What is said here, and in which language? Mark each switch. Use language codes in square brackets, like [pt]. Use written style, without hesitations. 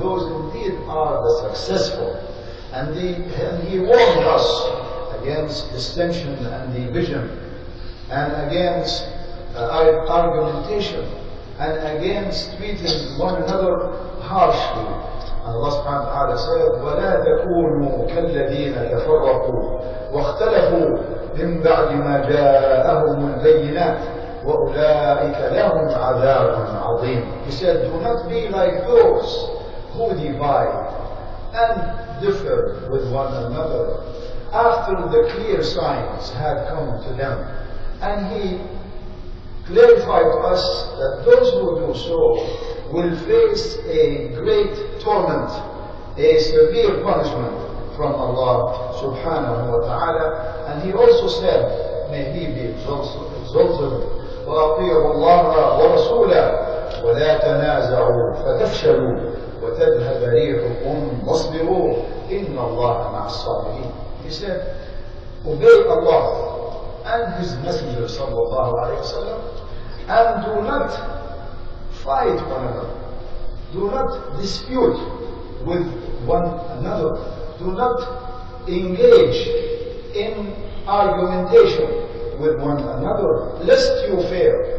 [en] Those indeed are the successful. And He warned us against distinction and division, and against argumentation, and against treating one another harshly. And Allah subhanahu wa ta'ala said, [ar] وَلَا تَكُونُوا كَالَّذِينَ تَفَرَّقُوا وَاخْتَلَفُوا مِنْ بَعْدِ مَا جَاءَهُمُ الْبَيِّنَاتِ وَأُولَٰئِكَ لَهُمْ عَذَابٌ عَظِيمٌ. [en] He said, do not be like those who divide and differ with one another after the clear signs had come to them. And He clarified to us that those who do so will face a great torment, a severe punishment from Allah subhanahu wa ta'ala. And He also said, may He be exalted, [ar] وَأَطِيعُوا اللَّهَ وَرَسُولَهُ وَلَا تَنَازَعُوا فَتَفْشَلُوا وَتَذْهَبَ رِيحُكُمْ وَاصْبِرُوا إن الله مع الصابرين. [en] He said, obey Allah and His Messenger [ar] صلى الله عليه وسلم [en] and do not fight one another. Do not dispute with one another. Do not engage in argumentation with one another, lest you fail.